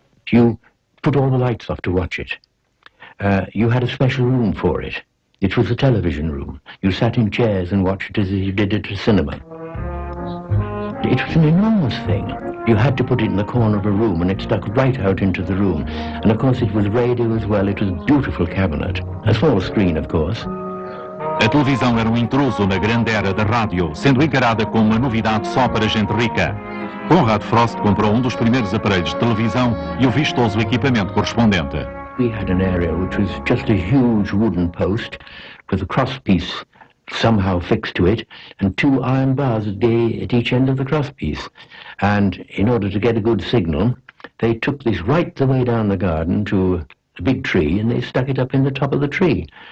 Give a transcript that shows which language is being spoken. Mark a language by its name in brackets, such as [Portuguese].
[English] You put all the lights off to watch it. You had a special room for it. It was a television room. You sat in chairs and watched it as you did at a cinema. It was an enormous thing. You had to put it in the corner of a room and it stuck right out into the room. And of course it was radio as well. It was a beautiful cabinet. A small screen, of course. [Portuguese] A televisão era um intruso na grande era da rádio, sendo encarada como uma novidade só para gente rica. Conrad Frost comprou um dos primeiros aparelhos de televisão e o vistoso equipamento correspondente. [English] We had an aerial which was just a huge wooden post with a cross piece somehow fixed to it and two iron bars at each end of the cross piece. And in order to get a good signal, they took this right the way down the garden to a big tree and they stuck it up in the top of the tree.